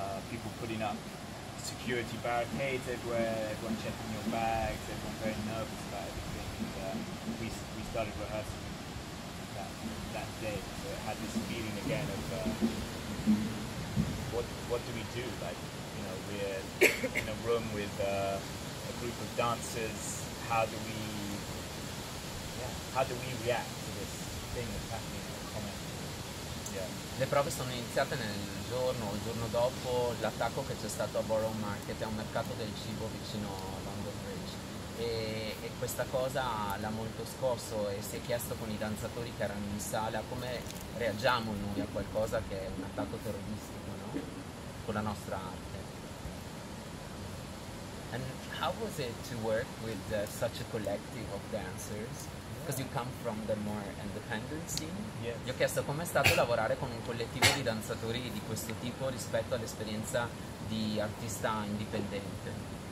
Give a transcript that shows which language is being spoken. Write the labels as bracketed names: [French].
[English] people putting up security barricades everywhere, everyone checking your bags, everyone very nervous about everything, and we started rehearsing that day, so it had this feeling again of what do we do, like, you know, we're in a room with a group of dancers, how do we react to this thing that's happening in the comment? Yeah. [Italian] Le prove sono iniziate nel giorno o il giorno dopo l'attacco che c'è stato a Borough Market, è un mercato del cibo vicino a London Bridge, e questa cosa l'ha molto scosso e si è chiesto con i danzatori che erano in sala come reagiamo noi a qualcosa che è un attacco terroristico, no? Con la nostra arte. [English] And how was it to work with such a collective of dancers? Because you come from the more independent scene. Yes. [Italian] Gli ho chiesto com'è stato lavorare con un collettivo di danzatori di questo tipo rispetto all'esperienza di artista indipendente.